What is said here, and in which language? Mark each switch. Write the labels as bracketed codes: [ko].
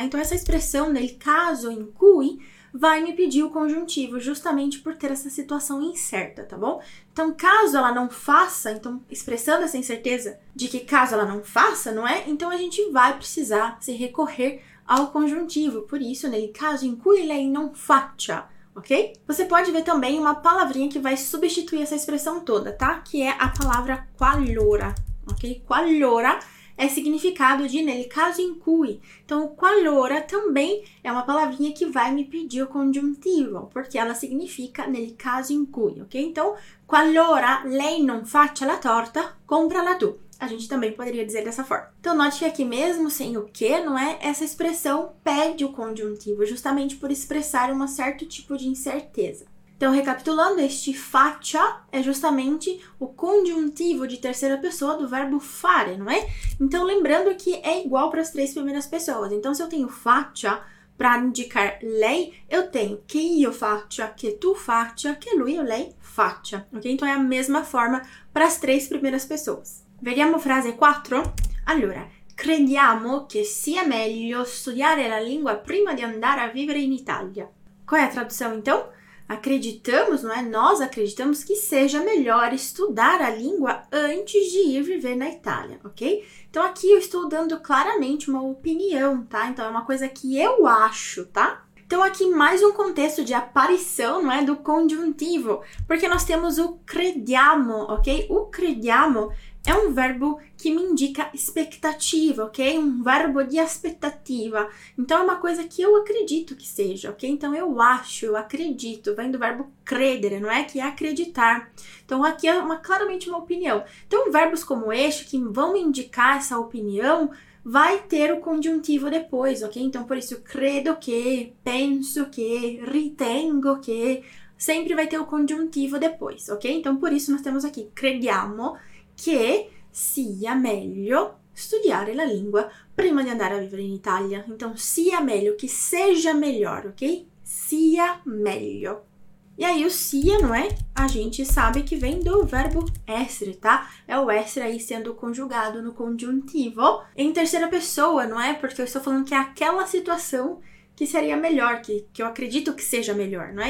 [pt] Então, essa expressão, [it] nel caso in cui, [pt] vai me pedir o conjuntivo, justamente por ter essa situação incerta, tá bom? Então, caso ela não faça, então, expressando essa incerteza de que caso ela não faça, não é? Então, a gente vai precisar se recorrer ao conjuntivo. Por isso, [it] nel caso in cui lei non faccia, [pt] ok? Você pode ver também uma palavrinha que vai substituir essa expressão toda, tá? Que é a palavra qualora, ok? Qualora é significado de [it] nel caso in cui. [pt] Então, o qualora também é uma palavrinha que vai me pedir o conjuntivo, porque ela significa [it] nel caso in cui, [pt] ok? [it] Então, qualora lei non faccia la torta, comprala tu. [pt] A gente também poderia dizer dessa forma. Então, note que aqui mesmo sem o que, não é? Essa expressão pede o conjuntivo, justamente por expressar um certo tipo de incerteza. Então, recapitulando, este faccia é justamente o conjuntivo de terceira pessoa do verbo fare, não é? Então, lembrando que é igual para as três primeiras pessoas. Então, se eu tenho faccia para indicar lei, eu tenho [it] che io faccia, che tu faccia, che lui o lei faccia, [pt] ok? Então, é a mesma forma para as três primeiras pessoas. [it] Vediamo frase 4? Allora, crediamo che sia meglio studiare la lingua prima di andare a vivere in Italia. [pt] Qual è a tradução, então? Acreditamos, não é? Nós acreditamos que seja melhor estudar a língua antes de ir viver na Itália, ok? Então, aqui eu estou dando claramente uma opinião, tá? Então, é uma coisa que eu acho, tá? Então, aqui mais um contexto de aparição, não é? Do conjuntivo, porque nós temos o crediamo, ok? O crediamo é um verbo que me indica expectativa, ok? Um verbo de expectativa. Então, é uma coisa que eu acredito que seja, ok? Então, eu acho, eu acredito, vem do verbo credere, não é? Que é acreditar. Então, aqui é claramente uma opinião. Então, verbos como este, que vão indicar essa opinião, vai ter o conjuntivo depois, ok? Então, por isso, credo que, penso que, ritengo que, sempre vai ter o conjuntivo depois, ok? Então, por isso, nós temos aqui, [it] crediamo che sia meglio studiare la lingua prima di andare a vivere in Italia. [pt] Então, [it] sia meglio, [pt] che seja melhor, ok? [it] Sia meglio. [pt] E aí, o sia, não é? A gente sabe que vem do verbo essere, tá? É o essere aí sendo conjugado no conjuntivo em terceira pessoa, não é? Porque eu estou falando que é aquela situação que seria melhor, que eu acredito que seja melhor, não é?